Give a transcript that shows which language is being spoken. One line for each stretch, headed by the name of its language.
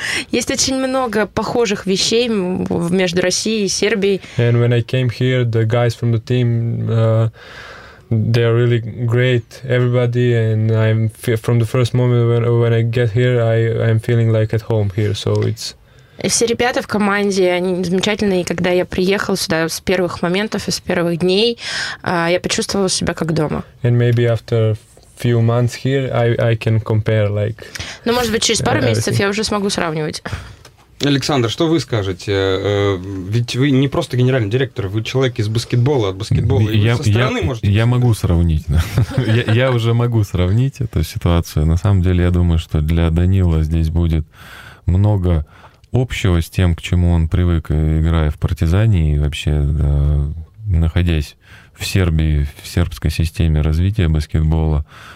Russian: Есть очень много похожих вещей между Россией и Сербией.
English: And when I came here, the guys from the team, they are really great, everybody, and I'm from the first moment when I get here, I'm feeling like at home here, so it's.
Russian: И все ребята в команде, они замечательные, и когда я приехал сюда с первых моментов и с первых дней, я почувствовал себя как дома.
English: And maybe after few months here, I can compare, like...
Russian: Ну, может быть, через пару месяцев я уже смогу сравнивать. Александр, что вы скажете? Ведь вы не просто генеральный директор, вы человек из баскетбола, от баскетбола. Я могу сравнить. Я уже могу сравнить эту ситуацию. На самом деле, я думаю, что для Данила здесь будет много общего с тем, к чему он привык, играя в «Партизане» и вообще находясь в Сербии, в сербской системе развития баскетбола.